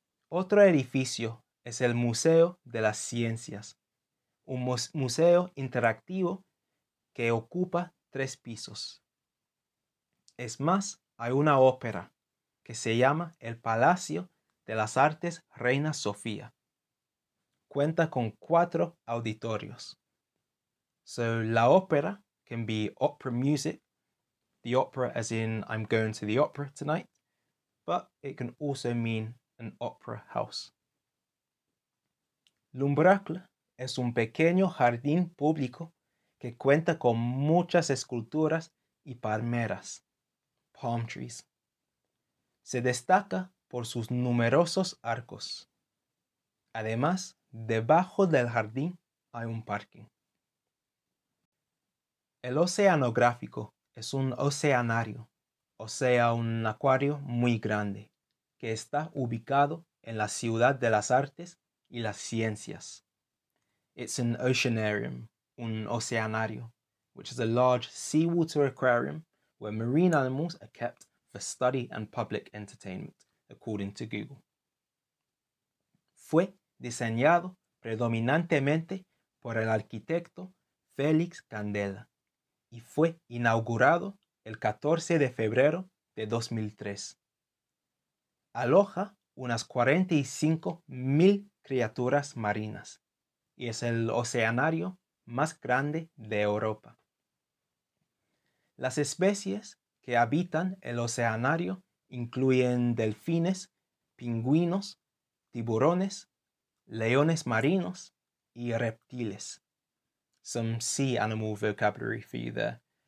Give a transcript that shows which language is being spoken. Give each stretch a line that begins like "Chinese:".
Spanish: Otro edificio es el Museo de las Ciencias, un museo interactivo que ocupa 3 pisos. Es más, hay una ópera que se llama El Palacio de las Artes Reina Sofía. Cuenta con 4 auditorios.
English: So, la ópera can be opera music, the opera as in I'm going to the opera tonight, but it can also mean an opera house.
Spanish: L'Umbracle es un pequeño jardín público que cuenta con muchas esculturas y palmeras,
English: palm trees.
Spanish: Se destaca por sus numerosos arcos. Además, debajo del jardín hay un parking. El Oceanográfico es un oceanario, o sea, un acuario muy grande, que está ubicado en la Ciudad de las Artes y las Ciencias.
English: It's an oceanarium,
Spanish: un oceanario,
English: which is a large seawater aquarium where marine animals are kept for study and public entertainment, according to Google.
Spanish: Fue diseñado predominantemente por el arquitecto Félix Candela y fue inaugurado el 14 de febrero de 2003. Aloja unas 45,000 criaturas marinas y es el oceanario más grande de Europa. Las especies que habitan el oceanario incluyen delfines, pingüinos, tiburones, leones marinos y reptiles.
English: Some sea animal vocabulary for you there.